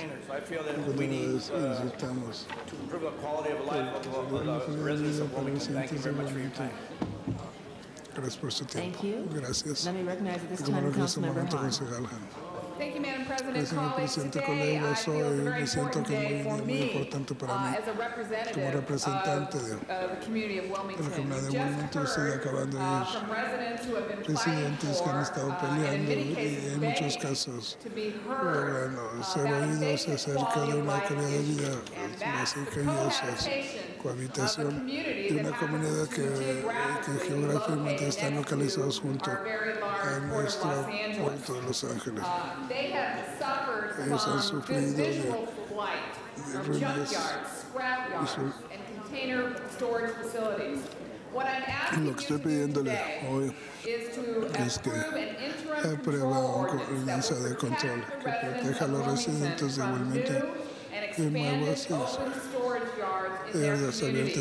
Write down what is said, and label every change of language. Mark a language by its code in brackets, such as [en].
[en] I feel that we need to improve the quality of life of the residents of Wilmington. Thank you very much for your time. [es] Gracias por su tiempo. [en] Thank you. [es] Gracias. [en] Let me recognize at this time Councilmember Hahn. Thank you, Madam President. [es] Presidente, colegas, hoy me siento que es muy importante para mí como representante de la comunidad de Wilmington. Estoy acabando de ir. Residentes que han estado peleando y en muchos casos logrando ser oídos acerca de una calidad de vida más ingeniosa, cohabitación y una comunidad que geográficamente están localizados junto a nuestro puerto de Los Ángeles. [en] They have suffered from the visual blight from junkyards, scrap yards, and container storage facilities. What I'm asking you to do today is to approve an interim control ordinance that protects the residents of Wilmington from new and expanded open storage yards in their community.